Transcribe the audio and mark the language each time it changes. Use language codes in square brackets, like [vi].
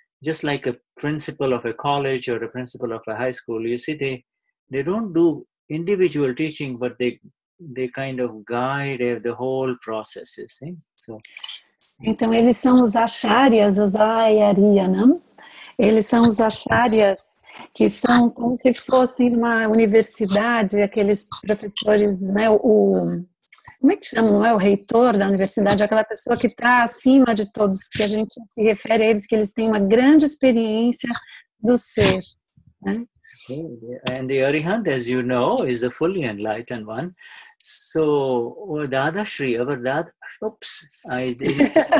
[en] just like a principal of a college or a principal of a high school, you see, they don't do individual teaching, but they kind of guide the whole process, you see. So, [pt] então, eles são os acharyas, os ayariya, não? Eles são os acharyas que são como se fossem uma universidade, aqueles professores, né, como é que chama, não é? O reitor da universidade, aquela pessoa que está acima de todos, que a gente se refere a eles, que eles têm uma grande experiência do ser. Né? [en] And the Arihant, as you know, is a fully enlightened one. So, Dada Shri, our Dada, oops, I did.